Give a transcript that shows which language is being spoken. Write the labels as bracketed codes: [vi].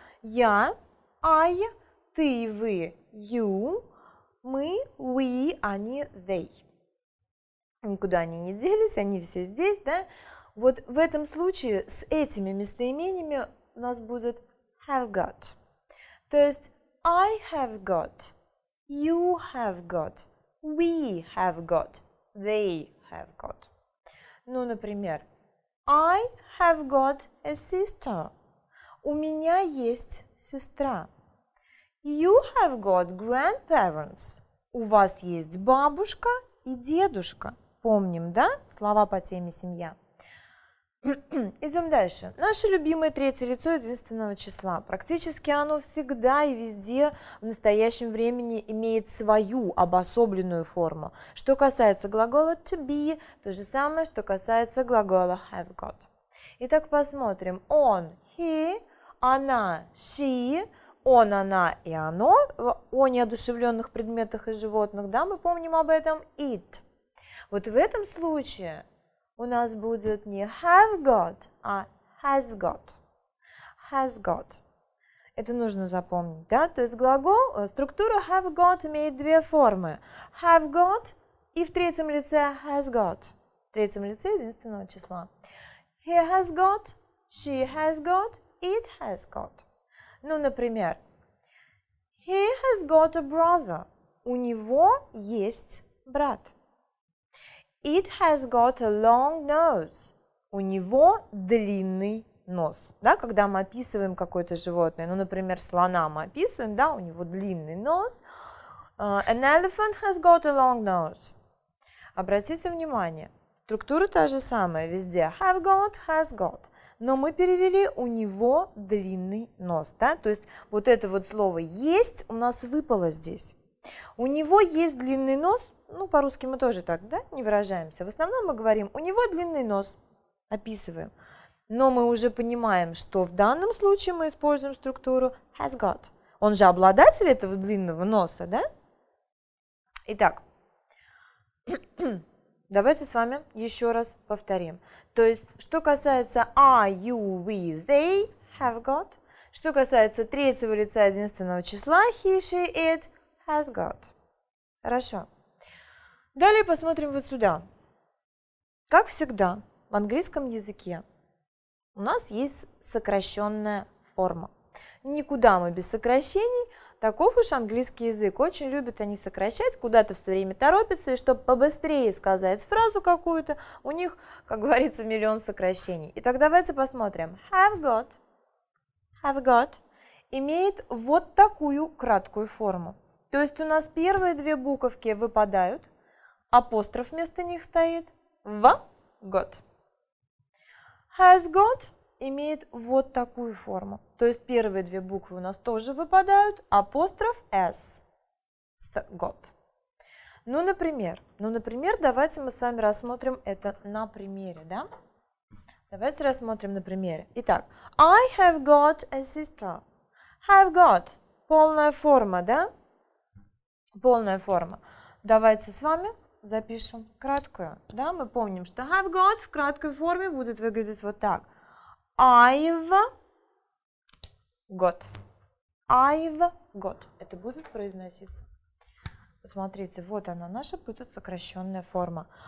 [ru] Я, I, ты, вы, you, мы, we, они, they. Никуда они не делись, они все здесь, да? Вот в этом случае с этими местоимениями у нас будет have got. То есть [en] I have got, you have got, we have got, they have got. [ru] Ну, например, [en] I have got a sister. [ru] У меня есть сестра. [en] You have got grandparents. [ru] У вас есть бабушка и дедушка. Помним, да? Слова по теме семья. Идем дальше. Наше любимое третье лицо единственного числа. Практически оно всегда и везде в настоящем времени имеет свою обособленную форму. Что касается глагола to be, то же самое, что касается глагола have got. Итак, посмотрим. Он, he, она, she. Он, она и оно, о неодушевленных предметах и животных, да, мы помним об этом, it. Вот в этом случае у нас будет не have got, а has got. Has got. Это нужно запомнить, да? То есть глагол, структура have got имеет две формы. Have got и в третьем лице has got. В третьем лице единственного числа. [en] He has got, she has got, it has got. [ru] Ну, например, [en] he has got a brother. [ru] У него есть брат. [en] It has got a long nose. [ru] У него длинный нос. Да, когда мы описываем какое-то животное, ну, например, слона мы описываем, да, у него длинный нос. [en] An elephant has got a long nose. [ru] Обратите внимание, структура та же самая везде. [en] Have got, has got. [ru] Но мы перевели «у него длинный нос», да? То есть вот это вот слово «есть» у нас выпало здесь. «У него есть длинный нос», ну, по-русски мы тоже так, да, не выражаемся. В основном мы говорим «у него длинный нос», описываем. Но мы уже понимаем, что в данном случае мы используем структуру has got. Он же обладатель этого длинного носа, да? Итак, давайте с вами еще раз повторим. То есть, что касается [en] are, you, we, they have got, [ru] что касается третьего лица единственного числа, [en] he, she, it has got. [ru] Хорошо. Далее посмотрим вот сюда. Как всегда, в английском языке у нас есть сокращенная форма. Никуда мы без сокращений. Таков уж английский язык. Очень любят они сокращать, куда-то все время торопятся, и чтобы побыстрее сказать фразу какую-то, у них, как говорится, миллион сокращений. Итак, давайте посмотрим. Have got имеет вот такую краткую форму. То есть у нас первые две буковки выпадают, апостроф вместо них стоит в got. Has got имеет вот такую форму. То есть первые две буквы у нас тоже выпадают, апостроф s с got. Ну, например, давайте мы с вами рассмотрим это на примере, да? Давайте рассмотрим на примере. Итак, [en] I have got a sister. [ru] Have got. Полная форма, да? Полная форма. Давайте с вами запишем краткую. Да, мы помним, что have got в краткой форме будет выглядеть вот так. [en] I've got. I've got. [ru] Это будет произноситься. Посмотрите, вот она, наша будет сокращенная форма.